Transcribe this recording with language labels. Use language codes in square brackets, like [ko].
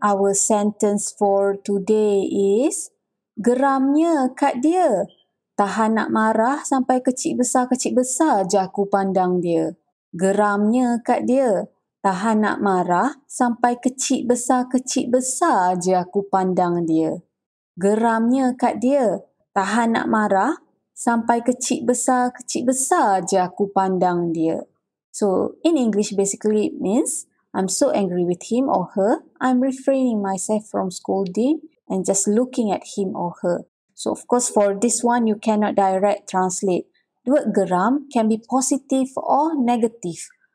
[en] Our sentence for today is [ms] geramnya kat dia. Tahan nak marah sampai kecil besar je aku pandang dia. Geramnya kat dia. Tahan nak marah sampai kecil besar je aku pandang dia. Geramnya kat dia. Tahan nak marah sampai kecil besar je aku pandang dia. [en] So in English basically it means I'm so angry with him or her, I'm refraining myself from scolding and just looking at him or her. So of course for this one, you cannot direct translate. The word geram can be positive or negative.